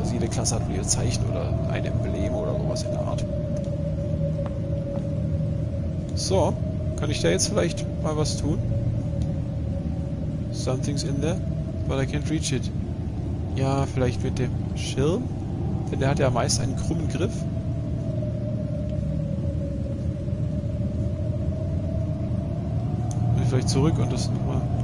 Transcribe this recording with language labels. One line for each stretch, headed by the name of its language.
German: Also jede Klasse hat ihr Zeichen oder ein Emblem oder sowas in der Art. So, kann ich da jetzt vielleicht mal was tun?
English: Something's in there, but I can't reach it.
German: Ja, vielleicht mit dem Schirm? Denn der hat ja meist einen krummen Griff. Bin ich vielleicht zurück und das nochmal...